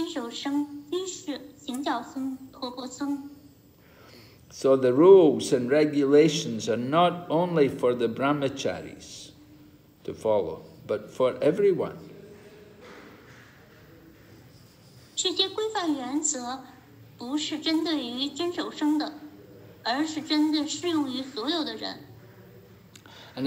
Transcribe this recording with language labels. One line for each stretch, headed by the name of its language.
Chinese: 还有四个灵性阶段，真守生、居士、行脚僧、托钵僧。
English: So the rules and regulations are not only for the brahmacharis to follow, but for everyone.
Chinese: 这些规范原则不是针对于遵守生的，而是针对适用于所有的人。
English: And